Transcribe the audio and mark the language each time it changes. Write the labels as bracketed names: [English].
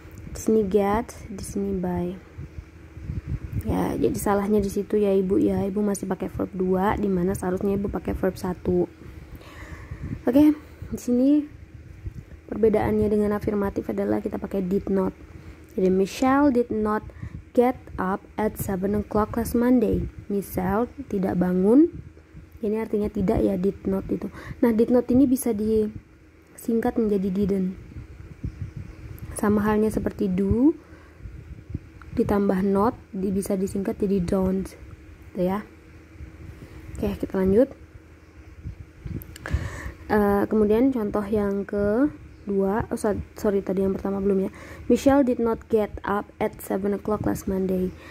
[Indonesian] Di sini get, di sini buy. Ya, jadi salahnya di situ ya ibu ya. Ibu masih pakai verb 2, di mana seharusnya ibu pakai verb 1. Oke, di sini perbedaannya dengan afirmatif adalah kita pakai did not. [English] Jadi Michelle did not get up at 7 o'clock last Monday. [Indonesian] Michelle tidak bangun. Ini artinya tidak ya, did not itu. Nah, did not ini bisa disingkat menjadi didn't. Sama halnya seperti do ditambah not, bisa disingkat jadi don't. Gitu ya. Oke, kita lanjut. Kemudian contoh yang ke Dua, sorry tadi yang pertama belum ya. [English] Michelle did not get up at 7 o'clock last Monday.